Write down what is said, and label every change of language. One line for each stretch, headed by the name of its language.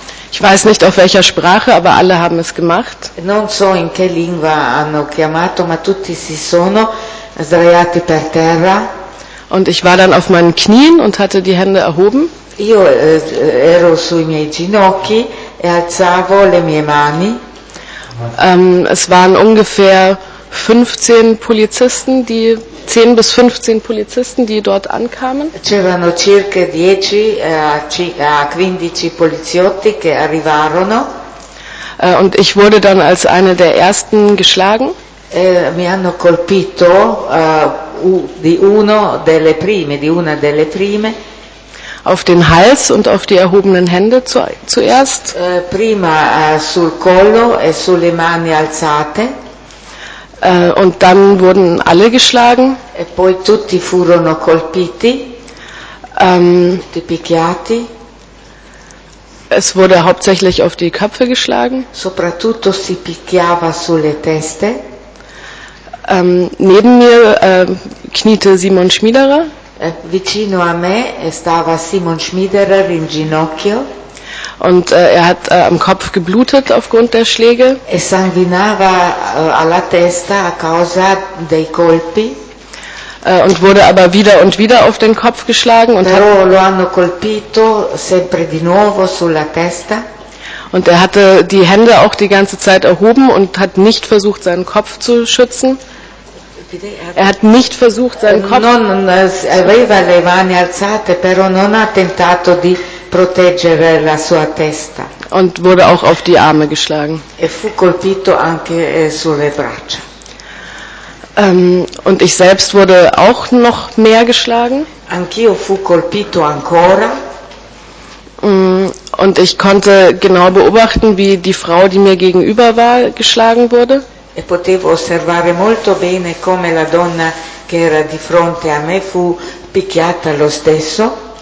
German: Ich weiß nicht auf welcher Sprache, aber alle haben es gemacht.
Italian: Non so in che lingua hanno chiamato, ma tutti si sono sdraiati per terra.
German: Und ich war dann auf meinen Knien und hatte die Hände erhoben.
Italian: Io ero sui miei ginocchi e alzavo le mie mani.
German: Es waren ungefähr 15 Polizisten, die 10 bis 15 Polizisten, die dort ankamen.
Italian: C'erano circa 10 a 15 poliziotti che arrivarono.
German: Und ich wurde dann als eine der ersten geschlagen.
Italian: Mi hanno colpito di una delle prime.
German: Auf den Hals und auf die erhobenen Hände zuerst.
Italian: Prima sul collo e sulle mani alzate.
German: Und dann wurden alle geschlagen.
Italian: E poi tutti furono colpiti, tutti picchiati.
German: Es wurde hauptsächlich auf die Köpfe geschlagen.
Italian: Soprattutto si picchiava sulle teste.
German: Neben mir kniete Simon Schmiederer.
Italian: Vicino a me stava Simon Schmiederer in ginocchio.
German: Und er hat am Kopf geblutet aufgrund der Schläge.
Italian: E sanguinava alla testa a causa dei colpi.
German: Und wurde aber wieder und wieder auf den Kopf geschlagen.
Italian: Però lo hanno colpito sempre di nuovo sulla testa.
German: Und er hatte die Hände auch die ganze Zeit erhoben und hat nicht versucht, seinen Kopf zu schützen. Er hat nicht versucht, seinen Kopf zu schützen.
Italian: Aveva le mani alzate, però non ha tentato di proteggere la sua testa.
German: Und wurde auch auf die Arme geschlagen.
Italian: E fu colpito anche sulle braccia.
German: Und ich selbst wurde auch noch mehr geschlagen.
Italian: Anch'io fu colpito ancora.
German: Und ich konnte genau beobachten, wie die Frau, die mir gegenüber war, geschlagen wurde.
Italian: E potevo osservare molto bene come la donna che era di fronte a me fu picchiata lo stesso.